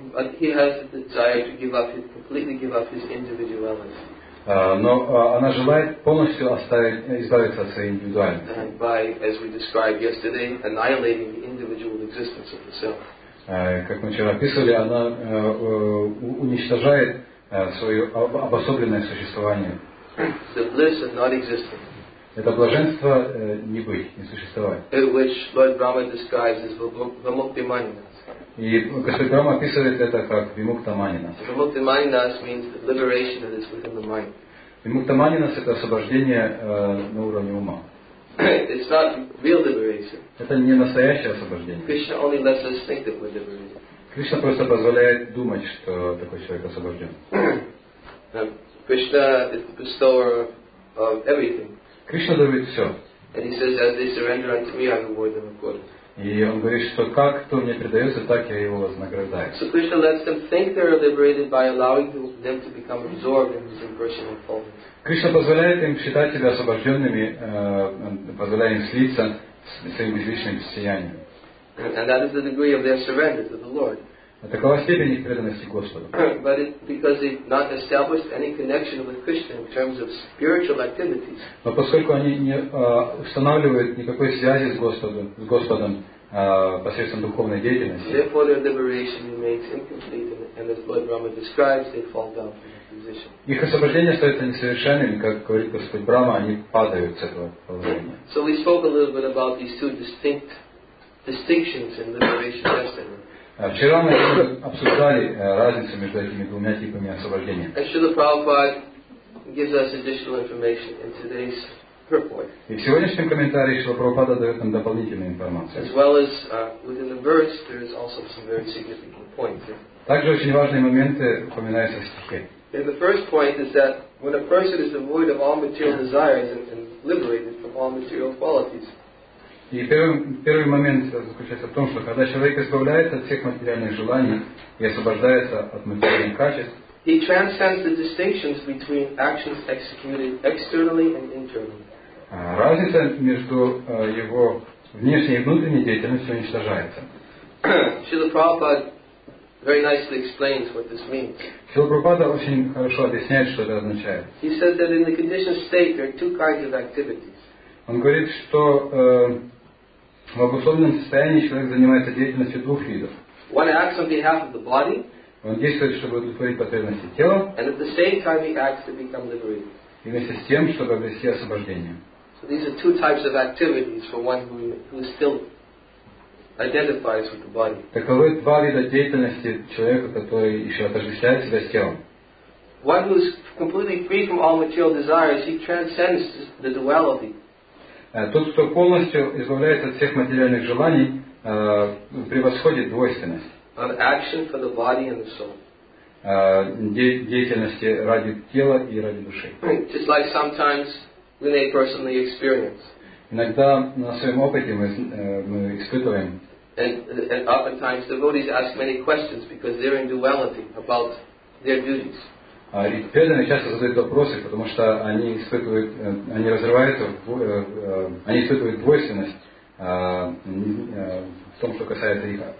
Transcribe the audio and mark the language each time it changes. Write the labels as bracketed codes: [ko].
[en] But he has the desire to completely give up his individuality. [ru] Она желает полностью избавиться от своей индивидуальности. [en] And by, as we described yesterday, annihilating the individual existence of the self. [ru] Как мы вчера описывали, она уничтожает свое обособленное существование. [en] The bliss of not existing. [ru] Это блаженство не быть, не существовать. [en] Which Lord Brahma describes Vimuktimanina. [ru] И Господь Брама описывает это как Vimuktamanina. [en] Vimuktimanina means the liberation that is within the mind. [ru] Vimuktamanina — это освобождение на уровне ума. [en] It's not real liberation. [ru] Это не настоящее освобождение. [en] Krishna only lets us think that we're liberated. [ru] Кришна просто позволяет думать, что такой человек освобожден. [en] Krishna is the bestower of everything. [ru] Кришна дарует все. [en] And he says, as they surrender unto me, I reward them accordingly. [ru] И он говорит, что как кто мне предается, так я его вознаграждаю. [en] So Krishna lets them think they are liberated by allowing them to become absorbed in his impersonal fullness. [ru] Кришна позволяет им считать себя освобожденными, позволяя им слиться с своим безличным сиянием. [en] And that is the degree of their surrender to the Lord. [ru] Такова степень их преданности Господу. [en] But it, because they've not established any connection with Krishna in terms of spiritual activities. [ru] Но поскольку они не устанавливают никакой связи с Господом, посредством духовной деятельности. [en] Therefore, their liberation remains incomplete, and as Lord Brahma describes, they fall down from their position. [ru] Их освобождение остается несовершенным, как говорит Господь Брама, они падают с этого положения. [en] So we spoke a little bit about these two distinctions in liberation destiny. [ru] Вчера мы обсуждали разницу между этими двумя типами освобождения. [en] And Srila Prabhupada gives us additional information in today's purport. [ru] И в сегодняшнем комментарии Шрила Прабхупада дает нам дополнительную информацию. [en] As well as within the verse, there is also some very significant points. [ru] Также очень важные моменты упоминаются в стихе. [en] And the first point is that when a person is devoid of all material desires and liberated from all material qualities. [ru] И первый момент заключается в том, что когда человек избавляется от всех материальных желаний и освобождается от материальных качеств, [en] he transcends the distinctions between actions executed externally and internally. [ru] Разница между его внешней и внутренней деятельностью уничтожается. [en] Srila Prabhupada very nicely explains what this means. [ru] Srila Prabhupada очень хорошо объясняет, что это означает. [en] He says that in the conditioned state there are two kinds of activities. [ru] Он говорит, что в обусловленном состоянии человек занимается деятельностью двух видов. [en] One acts on behalf of the body, [ru] он действует, чтобы удовлетворить потребности тела, [en] and at the same time he acts to become liberated. [ru] И вместе с тем, чтобы обрести освобождение. [en] So these are two types of activities for one who still identifies with the body. [ru] Таковы два вида деятельности человека, который еще отождествляет себя с телом. [en] One who is completely free from all material desires, he transcends the duality. [ru] Тот, кто полностью избавляется от всех материальных желаний, превосходит двойственность. [en] Action for the body and the soul. [ru] Деятельности ради тела и ради души. [en] Just like sometimes we may personally experience. [ru] Иногда на своем опыте мы испытываем. [en] And oftentimes devotees ask many questions because they're in duality about their duties. [ru] И преданные часто задают вопросы, потому что они испытывают, они разрываются, они испытывают двойственность в том, что касается их